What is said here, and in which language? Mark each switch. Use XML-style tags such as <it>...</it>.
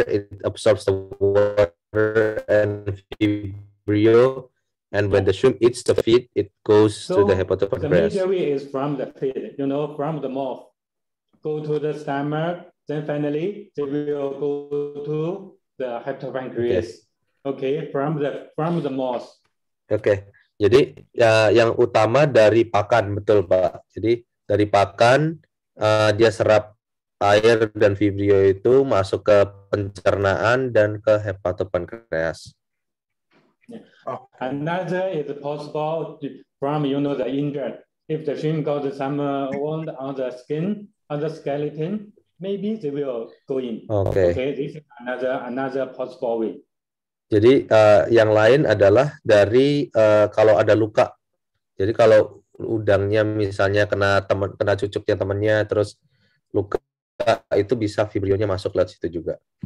<en>It absorbs the water and vibrio, and when the shrimp eats the feet, it goes to the hepatopancreas. The major way is from the feet, you know, from the mouth. Go to the stomach, then finally they will go to the hepatopancreas. Okay, from the mouth.</en> <id>Okay, jadi yang utama dari pakan, betul Pak. Jadi dari pakan dia serap air dan vibrio itu masuk ke pencernaan dan ke hepatopancreas.</id> <en>Another is possible from the injured. If the shrimp got some wound on the skeleton, maybe they will go in. Okay. Okay, this is another possible way.</en> <id>Jadi yang lain adalah dari kalau ada luka. Jadi kalau udangnya misalnya kena teman kena cucuknya temannya terus luka itu bisa vibrionya masuk lewat situ juga.</id>